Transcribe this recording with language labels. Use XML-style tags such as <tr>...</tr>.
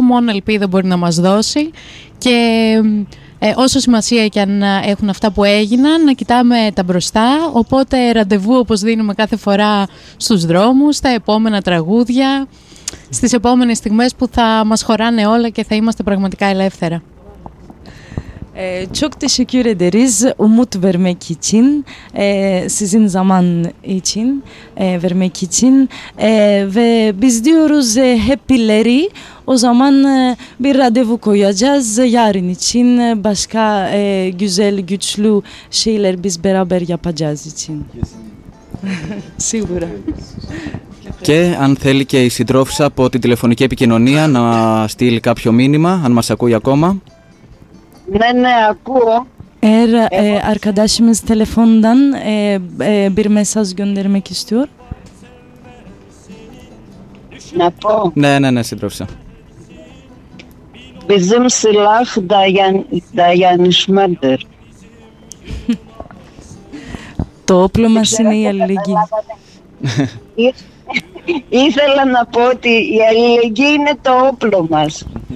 <el>Μόνο ελπίδα μπορεί να μας δώσει. Και όσο σημασία και αν έχουν αυτά που έγιναν, να κοιτάμε τα μπροστά. Οπότε ραντεβού, όπως δίνουμε κάθε φορά, στους δρόμους, στα επόμενα τραγούδια, στις επόμενες στιγμές που θα μας χωράνε όλα και θα είμαστε πραγματικά ελεύθερα.</el> <tr>Çok teşekkür ederiz umut vermek için, sizin zaman için vermek için ve biz diyoruz happyleri o zaman bir randevu koyacağız yarın için, başka güzel güçlü şeyler biz beraber yapacağız için.</tr> <el>Σίγουρα. Και αν θέλει και η συντρόφισσα από την τηλεφωνική επικοινωνία να στείλει κάποιο μήνυμα, αν μας ακούει ακόμα. Ναι, ακούω.</el> <tr>Arkadaşımız telefondan bir mesaj göndermek istiyor.</tr> <el>Να πω. Ναι, συντρόφισσα.</el> <tr>Bizim silah dayanışmadır.</tr> <el>Το όπλο μας είναι η αλληλεγγύη. Ήθελα να πω ότι η αλληλεγγύη είναι το όπλο μας.</el>